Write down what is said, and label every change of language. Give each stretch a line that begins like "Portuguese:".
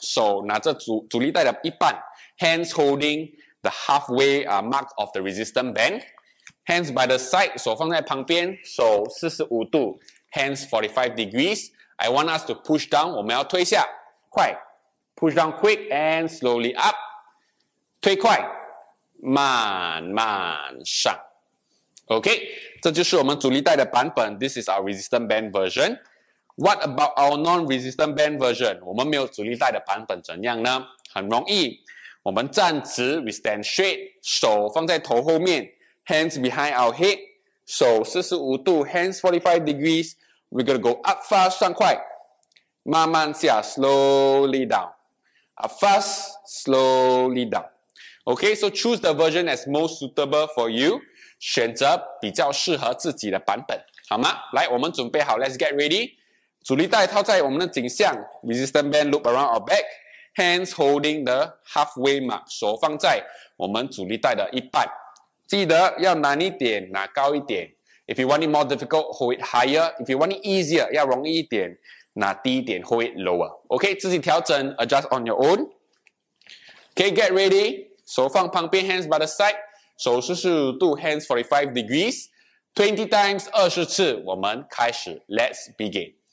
Chinese: 拿起阻力带，套在我们的颈项，手拿着阻力带的一半。
English: Hands holding the halfway mark of the resistance band. Hands by the side,
Chinese: 手放在旁边, 手45度,
English: hands 45 degrees. I want us to push down,
Chinese: 我们要推下, 快,
English: push down quick and slowly up.
Chinese: 推快, 慢慢上.
English: Okay,
Chinese: 这就是我们阻力带的版本,
English: this is our resistant band version. What about our non-resistant band version?
Chinese: 我们没有阻力带的版本怎样呢? 很容易, 我们站直,
English: we stand straight,
Chinese: 手放在头后面,
English: hands behind our head, so
Chinese: 45度,
English: hands 45 degrees. We're gonna go up fast,
Chinese: 上快, 慢慢下,
English: slowly down. Up fast, slowly down. Okay, so choose the version that's most suitable for you.
Chinese: 选择比较适合自己的版本，好吗？来，我们准备好,
English: let's get ready.
Chinese: 阻力带套在我们的颈项,
English: resistance band loop around our back, hands holding the halfway mark,
Chinese: 手放在我们阻力带的一半。记得要难一点，拿高一点。
English: If you want it more difficult, hold it higher. If you want it easier,
Chinese: 要容易一点，拿低一点，
English: hold it lower. Okay,
Chinese: 自己调整，
English: adjust on your own. Okay, get ready.
Chinese: 手放旁边，
English: hands by the side.
Chinese: 手45度，
English: hands 45 degrees. 20 times,
Chinese: 20次，我们开始，
English: let's begin.